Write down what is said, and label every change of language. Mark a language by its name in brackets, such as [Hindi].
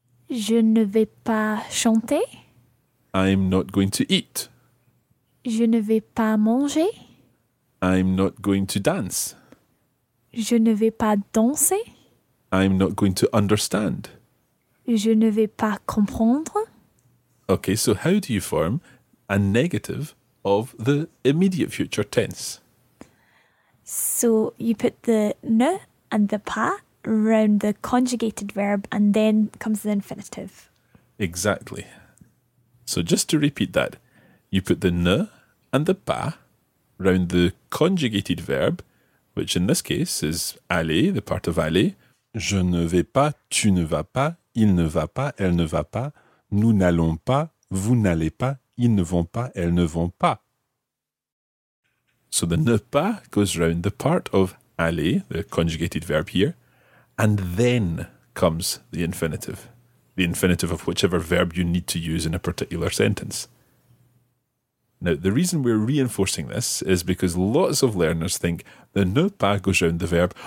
[French] Je ne vais pas chanter. [English] I'm not going to eat. [French] Je ne vais pas manger. [English] I'm not going to dance. [French] Je ne vais pas danser. [English] I'm not going to understand. [French] Je ne vais pas comprendre. [English] Okay, so how do you form a negative of the immediate future tense? So you put the ne and the pas around the conjugated verb and then comes the infinitive. Exactly. So just to repeat that, you put the ne and the pas around the conjugated verb, which in this case is aller, the part of aller. [French] Je ne vais pas, tu ne vas pas, il ne va pas, elle ne va pas, nous n'allons pas, vous n'allez pas, ils ne vont pas, elles ne vont pas. [English] So the ne pas goes round the part of aller, the conjugated verb here, and then comes the infinitive of whichever verb you need to use in a particular sentence. Now, the reason we're reinforcing this is because lots of learners think the ne pas goes round the verb.